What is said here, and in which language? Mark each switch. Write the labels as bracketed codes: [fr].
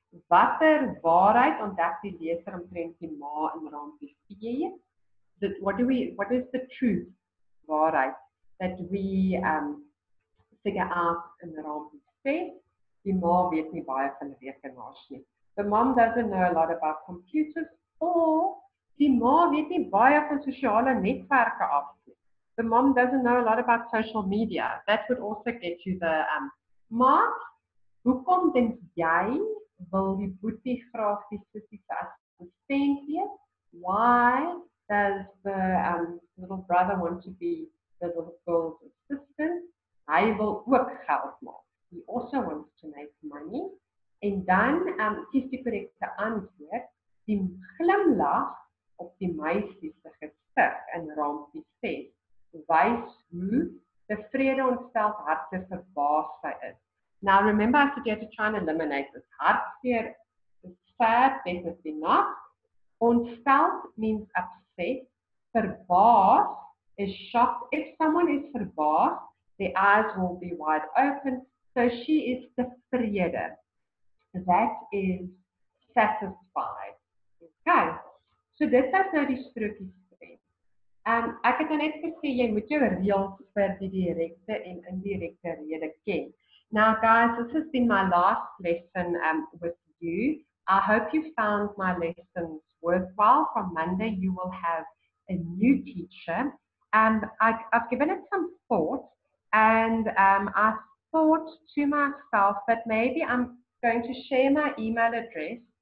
[af] Watter waarheid ontdek die leser omtrent die ma in rampie 4? [en] What is the truth, waarheid, that we figure out in rampie 6? [af] Die ma weet nie baie van rekenaars nie. [en] The mom doesn't know a lot about computers, or [af] die ma weet nie baie van sosiale netwerke af. [en] The mom doesn't know a lot about social media. That would also get you the mark. [af] Hoekom dink jy wil die boetie graag die sussie se assistent wees? [en] Why does the little brother want to be the little girl's assistant? [af] Hy wil ook geld maak. [en] He also wants to make money. [af] En dan kies die korrekte antwoord, die glimlag op die meisie se gesig in rampie 6 wys hoe tevrede ontsteld hartseer verbaas sy is. [en] Now remember, I said you had to try and eliminate this. Hartseer is fair, definitely not. Ontsteld means upset. Verbaas is shocked. If someone is verbaas, their eyes will be wide open. So she is tevrede. That is satisfied. [af] Okay, so dit is nou die strokie streng. Ek het net gesê, jy moet jou reels vir die direkte en indirekte rede ken. [en] Now guys, this has been my last lesson with you. I hope you found my lessons worthwhile. From Monday, you will have a new teacher. I've given it some thought, and I thought to myself that maybe I'm going to share my email address